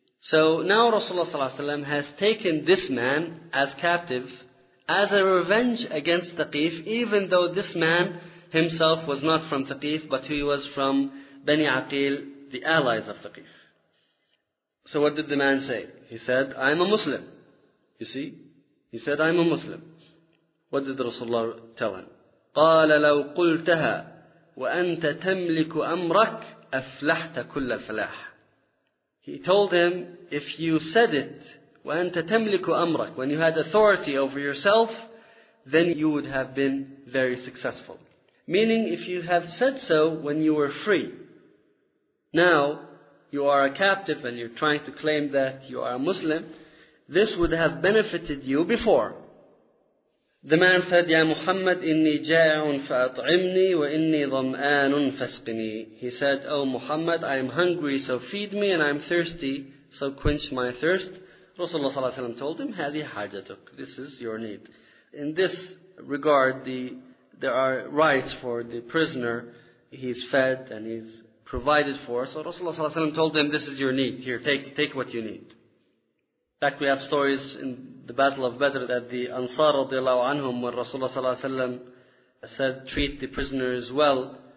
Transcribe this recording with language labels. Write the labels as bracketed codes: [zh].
[en] So now Rasulullah صلى الله عليه وسلم has taken this man as captive as a revenge against ثقيف, even though this man himself was not from ثقيف, but he was from Bani Aqil, the allies of ثقيف. So what did the man say? He said, I'm a Muslim. You see? He said, I'm a Muslim. What did Rasulullah tell him? [ar] قال لو قلتها وأنت تملك أمرك أفلحت كل فلاح. [en] He told him, if you said it, [ar] وأنت تملك أمرك, [en] when you had authority over yourself, then you would have been very successful. Meaning, if you have said so when you were free, now you are a captive and you're trying to claim that you are a Muslim, this would have benefited you before. The man said, [ar] يا محمد إني جائع فأطعمني وإني ضمآن فاسقني. [en] He said, O Muhammad, I am hungry, so feed me, and I am thirsty, so quench my thirst. Rasulullah صلى الله عليه وسلم told him, [ar] هذه حاجتك. [en] This is your need. In this regard, there are rights for the prisoner. He's fed and he's provided for. So Rasulullah صلى الله عليه وسلم told him, this is your need. Here, take what you need. In fact, we have stories in the Battle of Badr that the Ansar رضي الله عنهم, when Rasulullah صلى الله عليه وسلم said, treat the prisoners well,